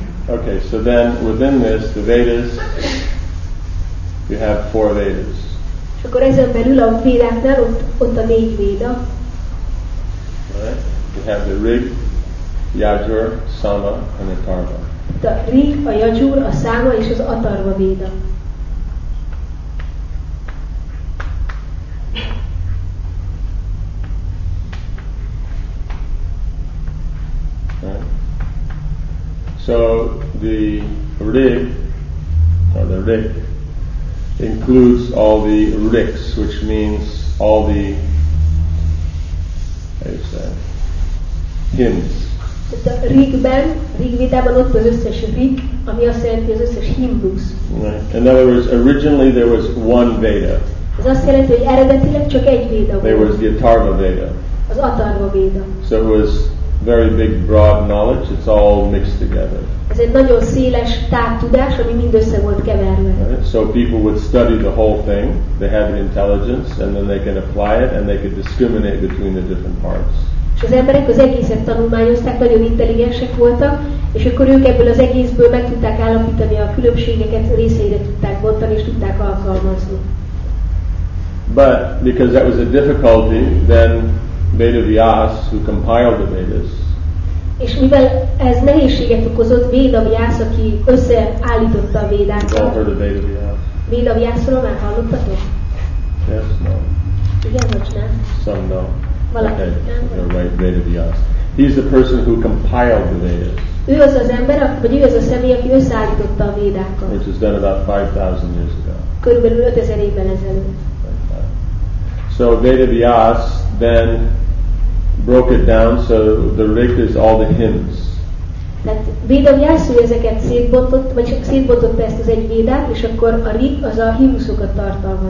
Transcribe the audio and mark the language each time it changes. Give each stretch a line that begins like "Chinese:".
English: Okay, so then within this, the Vedas, you have four Vedas.
Hungarian: És akkor ezen belül a Védáknál ott a négy Véda.
English: Right. You have the Rig, Yajur, Sama, and Atharva.
Hungarian: The Rig, a Yajur, a Sama és az Atharva Véda.
English: Right. So the Rig, or the Rig, includes all the Rigs, which means all the, how do you say, hymns.
Hungarian: The Rigben, Rigvédában ott az összes Rig, ami azt jelenti az összes himnusz.
English: Right. In other words, originally there was one Veda.
Hungarian: Ez azt jelenti, hogy eredetileg csak egy Veda volt.
English: There was the Atharva Veda.
Hungarian: Az Atharva Veda.
English: So it was very big, broad knowledge. It's all mixed together.
Hungarian: Ez egy nagyon széles távtudás, ami mindössze volt keverve.
English: Right. So people would study the whole thing, they had the intelligence, and then they can apply it, and they could discriminate between the different parts.
Hungarian: És az emberek az egészet tanulmányozták, nagyon intelligensek voltak, és akkor ők ebből az egészből meg tudták állapítani a különbségeket, részeire tudták bontani, és tudták alkalmazni.
English: But because that was a difficulty, then Vedavyas, who compiled the Vedas,
Hungarian: és mivel ez nehézséget okozott, Vedavyas, aki összeállította a Védákat. Vedavyasról már hallottatok?
English: Yes, no.
Hungarian: Igen, vagy nem?
English: Some no.
Hungarian: Valaki.
English: Okay. Right, Vedavyas. He's the person who compiled the Vedas.
Hungarian: Ő az az ember, vagy ő az a személy, aki összeállította a Védákat.
English: Which was done about 5,000 years ago.
Hungarian: Körülbelül 5000 évvel ezelőtt.
English: So Vedavyas then broke it down, so the Rig is all the hymns.
Hungarian: Tehát Vedavyas ezeket szétbontott, vagy csak szétbontotta ezt az egy Védát, és akkor a Rig az a himnuszokat tartalmazza.